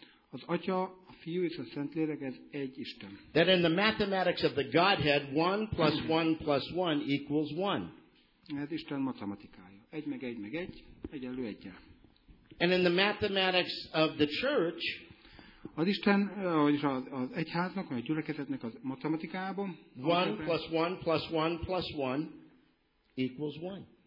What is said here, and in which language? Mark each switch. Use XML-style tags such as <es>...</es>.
<hu>Az Atya, a Fiú és a Szentlélek, ez egy Isten.</hu> <en>That in the mathematics of the Godhead, one plus one plus one equals one.</en> <hu>Ez Isten matematikája. Egy meg egy meg egy, egyenlő egy.</hu> <en>And in the mathematics of the church,</en> <hu>az Isten, vagyis az egyháznak, vagy a gyülekezetnek az matematikában,</hu> <en>one plus one plus one plus one equals one.</en>